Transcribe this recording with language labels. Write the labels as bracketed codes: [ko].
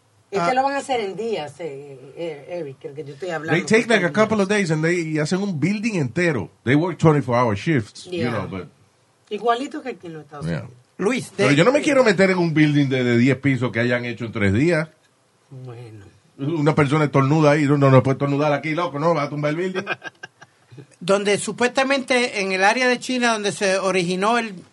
[es] Es que lo van a hacer en días, Eric, el que yo estoy hablando. [en] They take like a couple of days and they hacen un building entero. They work 24-hour shifts, yeah, you know, but... [es] Igualito que aquí en los Estados, yeah, Unidos. Luis, pero yo no me quiero meter en un building de 10 pisos que hayan hecho en 3 días. Bueno. Una persona estornuda ahí, no puede estornudar aquí, loco, ¿no? Va a tumbar el building. Donde supuestamente en el área de China donde se originó el...